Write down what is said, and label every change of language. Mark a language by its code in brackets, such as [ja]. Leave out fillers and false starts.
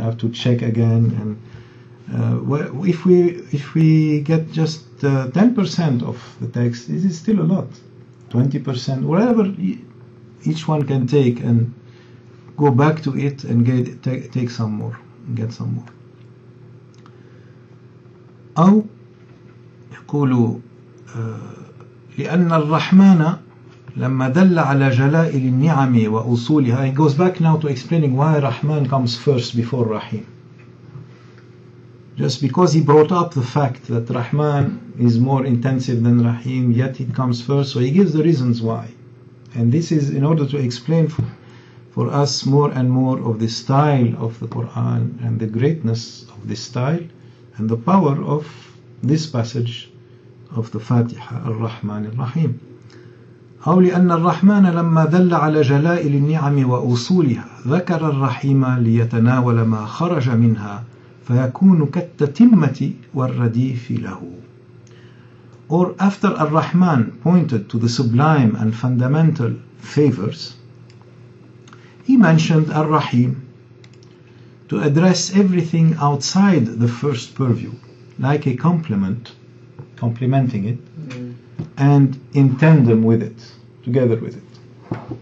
[en] I have to check again. And if we get just 10% of the text, it is still a lot. 20%, whatever each one can take, and go back to it and take some more, and get some more. [ar] أو يقول لأن الرحمن لما دل على جلائل النعم وأصولها. [en] He goes back now to explaining why Rahman comes first before Rahim. Just because he brought up the fact that Rahman is more intensive than Rahim, yet it comes first, so he gives the reasons why. And this is in order to explain for us more and more of the style of the Qur'an and the greatness of this style and the power of this passage of the Fatiha, al-Rahman, al-Rahim. [ar] أو لأن الرحمن لما دل على جلائل النعم وأصولها ذكر الرحيم ليتناول ما خرج منها فيكون كالتتمة والرديف له. [en] Or after Ar-Rahman pointed to the sublime and fundamental favors, he mentioned Ar-Rahim to address everything outside the first purview, like a complement, complementing it, and in tandem with it, together with it.